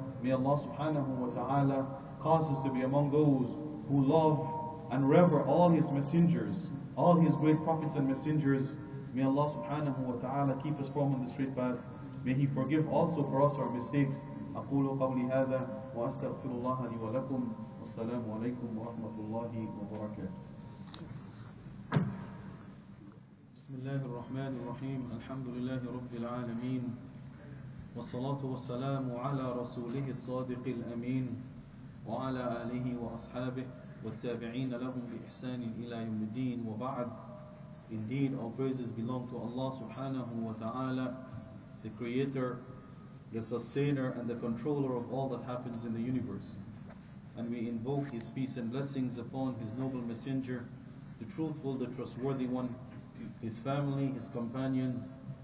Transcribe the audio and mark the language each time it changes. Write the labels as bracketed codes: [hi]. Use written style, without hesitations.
[en] May Allah subhanahu wa ta'ala cause us to be among those who love and rever all His messengers, all His great prophets and messengers. May Allah subhanahu wa ta'ala keep us from on the straight path. May He forgive also for us our mistakes. [ar] أَقُولُ قَوْلِ هَذَا وَأَسْتَغْفِرُ اللَّهَ لِي وَلَكُمْ. السلام عليكم ورحمة الله وبركاته. بسم الله الرحمن الرحيم. الحمد لله رب العالمين، والصلاة والسلام على رسوله الصادق الأمين، وعلى آله وأصحابه والتابعين لهم بإحسان إلى يوم الدين. وبعد، [en] indeed all praises belong to Allah سبحانه وتعالى, the creator, the sustainer and the controller of all that happens in the universe. And we invoke His peace and blessings upon His noble messenger, the truthful, the trustworthy one, His family, His companions,